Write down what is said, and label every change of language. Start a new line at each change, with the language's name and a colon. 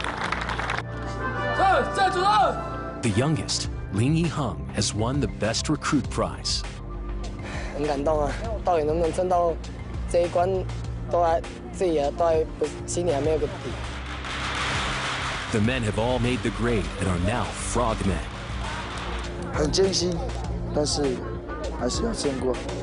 English: The youngest, Lin Yi Hung, has won the best recruit prize.
Chinese: 很感動啊，到底能不能撐到這一關，都還自己都還不心裡還沒有個底。
English: The men have all made the grade and are now frogmen.
Chinese: 很艱辛，但是還是要撐過。